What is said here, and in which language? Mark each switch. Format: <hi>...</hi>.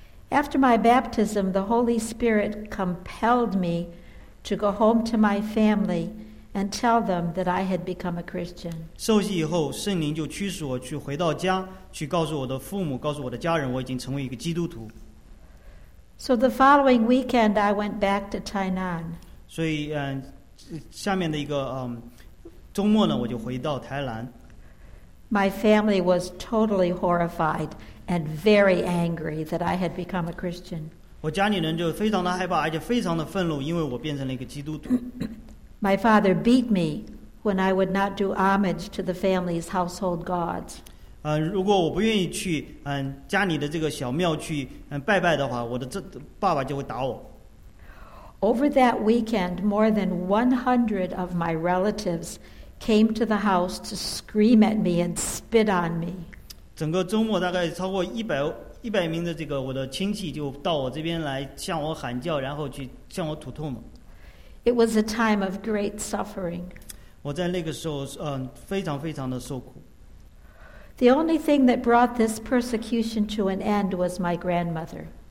<en>After my baptism, the Holy Spirit compelled me to go home to my family and tell them that I had become a Christian.</en> <zh>受洗以后，圣灵就驱使我去回到家，去告诉我的父母，告诉我的家人，我已经成为一个基督徒。</zh> <en>So the following weekend, I went back to Tainan.</en> <zh>所以，下面的一个周末呢，我就回到台南。</zh> <en>My family was totally horrified. And very angry that I had become a Christian.</en> <zh>我家里人就非常的害怕，而且非常的愤怒，因为我变成了一个基督徒。</zh> <en>My father beat me when I would not do homage to the family's household gods.</en> <zh>如果我不愿意去家里的这个小庙去拜拜的话，我的爸爸就会打我。</zh> <en>Over that weekend, more than 100 of my relatives came to the house to scream at me and spit on me.</en> <zh>整个周末大概超过100名的这个我的亲戚就到我这边来向我喊叫，然后去向我吐唾沫。</zh> <en>It was a time of great suffering.</en> <zh>我在那个时候非常非常的受苦。</zh> <en>The only thing that brought this persecution to an end was my grandmother.</en>